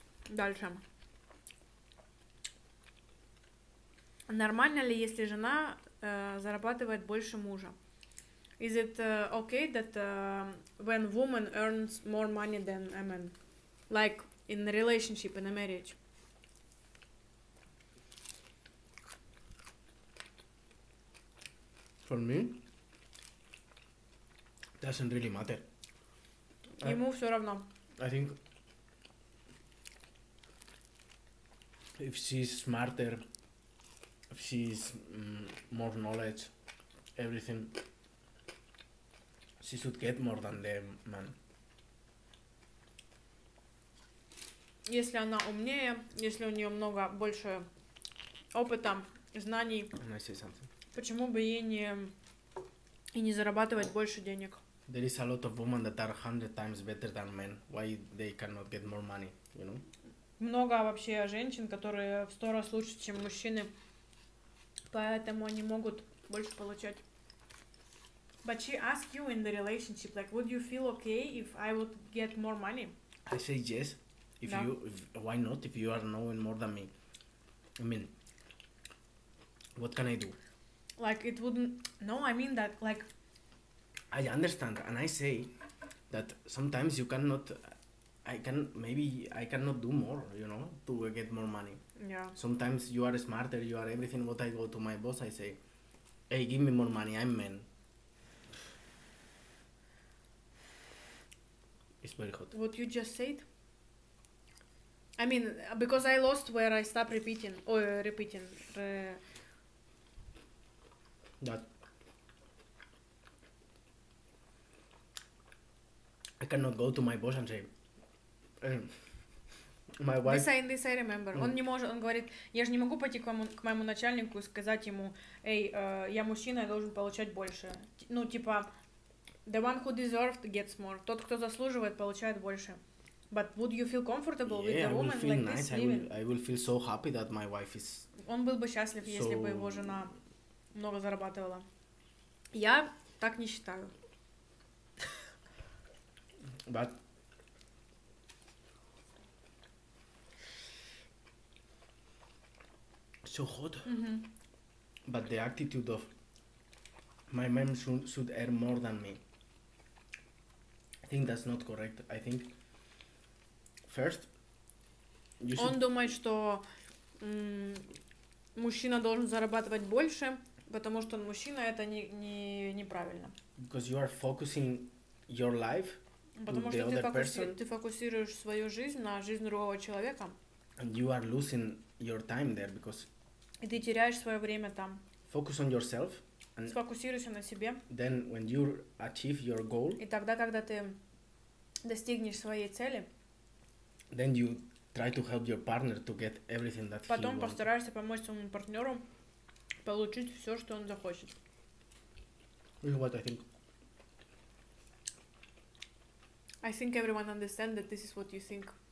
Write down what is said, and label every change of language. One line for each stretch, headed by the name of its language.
Russian: Дальше. Нормально ли, если жена зарабатывает больше мужа?
English: Is it okay that when woman earns more money than a man? Like in a relationship, in a marriage? For me, doesn't really matter.
Russian: Ему все равно.
English: I think if she's smarter, if she's more knowledge, everything, she should get more than the man.
Russian: Если она умнее, если у нее много больше опыта, знаний.
English: Can I say something?
Russian: Почему бы ей не и не зарабатывать больше денег?
English: There is a lot of women that are 100 times better than men. Why they cannot get more money, you know?
Russian: Много вообще женщин, которые в 100 раз лучше, чем мужчины. Поэтому они могут больше получать.
English: But she asked you in the relationship, like, would you feel okay if I would get more money? I say yes. If you, if, why not, if you are knowing more than me? I mean, what can I do? Like, it wouldn't... No, I mean that, like... I understand, and I say that sometimes you cannot... I can... Maybe I cannot do more, you know, to get more money. Yeah. Sometimes you are smarter, you are everything. What I go to my boss, I say, hey, give me more money, I'm man. It's very hot. What you just said? I mean, because I lost where I stopped repeating. Oh, repeating. That I cannot go to my boss and say, my wife. This I remember.
Russian: Он не может, он говорит, я же не могу пойти к моему начальнику и сказать ему, эй, я мужчина, я должен получать больше. Ну, типа,
English: the one who deserved gets more.
Russian: Тот, кто заслуживает, получает больше.
English: But would you feel comfortable with the woman like this? Yeah, I will feel so happy that my wife is.
Russian: Он был бы счастлив, если бы его жена много зарабатывала. Я так не считаю.
English: But so hot. Mm-hmm. But the attitude of my mom should earn more than me. I think that's not correct. I think first you should...
Russian: Он думает, что мужчина должен зарабатывать больше. Потому что он мужчина, это неправильно.
English: Because you are focusing your life to the other person.
Russian: Ты фокусируешь свою жизнь на жизнь другого человека.
English: And you are losing your time there because.
Russian: И ты теряешь свое время там.
English: Focus on yourself.
Russian: Сфокусируйся на себе.
English: Then when you achieve your goal.
Russian: И тогда, когда ты достигнешь своей цели.
English: Then you try to help your partner to get everything that he wants.
Russian: Потом постараешься помочь своему партнеру. Получить все, что он захочет.
English: You know what I think? I think everyone understands that this is what you think.